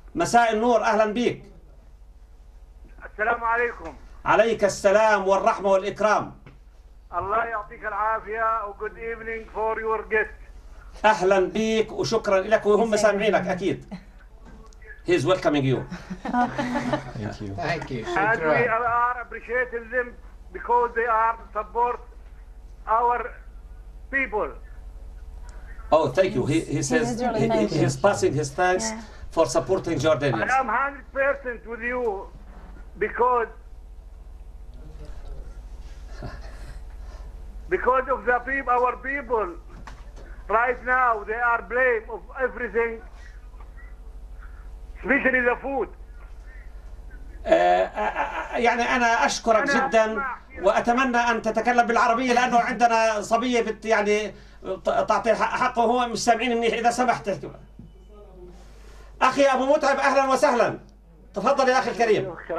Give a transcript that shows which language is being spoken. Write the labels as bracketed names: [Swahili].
[Arabic] مساء النور، أهلا بك. السلام عليكم. عليك السلام والرحمة والإكرام. الله يعطيك العافية و [English] good evening for your guest. [Arabic] أهلا بك وشكرا لك، وهم سامعينك أكيد. [English] He's welcoming you. Thank you. And we are appreciating them because they are support our people. Oh, thank you. He's passing his thanks for supporting Jordanians. I am 100% with you because of the people, our people, right now they are blamed of everything, especially the food. [Arabic] يعني أنا أشكرك جدا وأتمنى أن تتكلم بالعربية، لأنه عندنا صبية يعني تعطي حقه، هو مش سامعين منيح، إذا سمحت. أخي أبو متعب أهلا وسهلا، تفضل يا أخي الكريم.